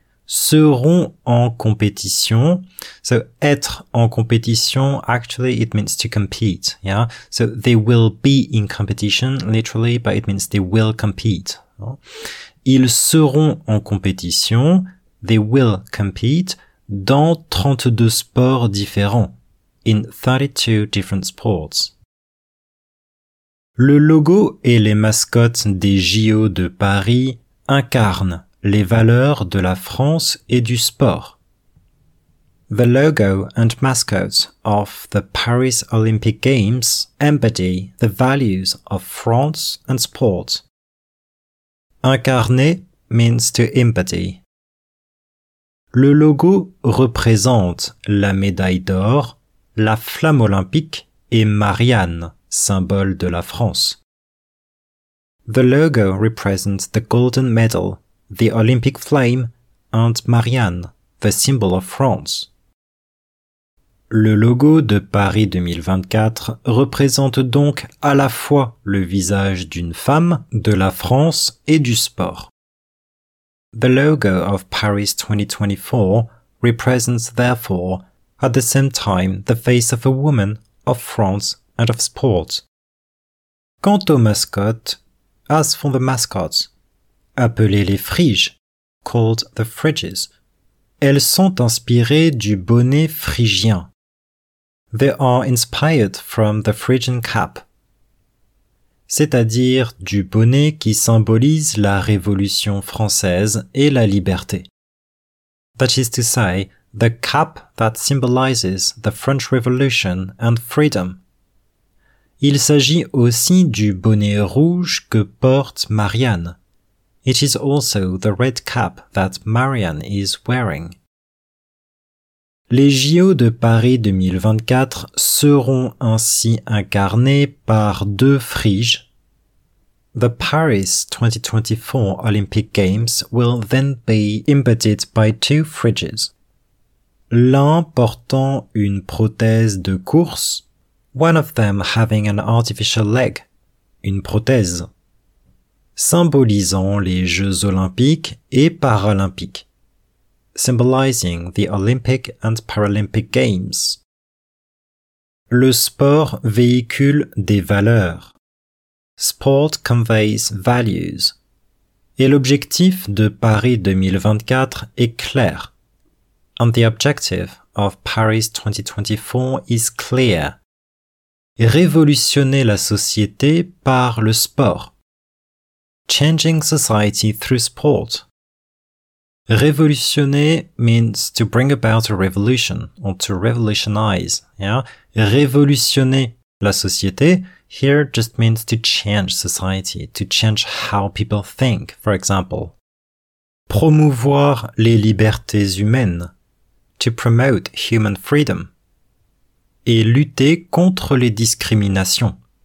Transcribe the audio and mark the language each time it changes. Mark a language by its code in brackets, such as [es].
[fr] Seront en compétition. [en] So, [fr] être en compétition, [en] actually, it means to compete. Yeah. So, they will be in competition, literally, but it means they will compete. [fr] Ils seront en compétition. [en] They will compete [fr] dans 32 sports différents. [en] In 32 different sports. [fr] Le logo et les mascottes des JO de Paris incarnent les valeurs de la France et du sport. [en] The logo and mascot of the Paris Olympic Games embody the values of France and sport. Incarner means to embody. [fr] Le logo représente la médaille d'or, la flamme olympique et Marianne, symbole de la France. [en] The logo represents the golden medal, the Olympic flame, and Marianne, the symbol of France. [fr] Le logo de Paris 2024 représente donc à la fois le visage d'une femme, de la France et du sport. [en] The logo of Paris 2024 represents therefore at the same time the face of a woman, of France and of sport. [fr] Quant aux mascottes, [en] as for the mascots, [fr] appelées les friges, [en] called the fridges, [fr] elles sont inspirées du bonnet phrygien. [en] They are inspired from the Phrygian cap, [fr] c'est-à-dire du bonnet qui symbolise la Révolution française et la liberté. [en] That is to say, the cap that symbolizes the French Revolution and freedom. [fr] Il s'agit aussi du bonnet rouge que porte Marianne. [en] It is also the red cap that Marianne is wearing. [fr] Les JO de Paris 2024 seront ainsi incarnés par deux friges. [en] The Paris 2024 Olympic Games will then be embodied by two friges. [fr] L'un portant une prothèse de course, [en] one of them having an artificial leg, [fr] une prothèse, symbolisant les Jeux Olympiques et Paralympiques, [en] symbolizing the Olympic and Paralympic Games. [fr] Le sport véhicule des valeurs. [en] Sport conveys values. [fr] Et l'objectif de Paris 2024 est clair. [en] And the objective of Paris 2024 is clear. [fr] Révolutionner la société par le sport. [en] Changing society through sport. Révolutionner means to bring about a revolution or to revolutionize. Yeah? [fr] Révolutionner la société [en] here just means to change society, to change how people think, for example. [fr] Promouvoir les libertés humaines. [en] To promote human freedom. [fr] Et lutter contre les discriminations.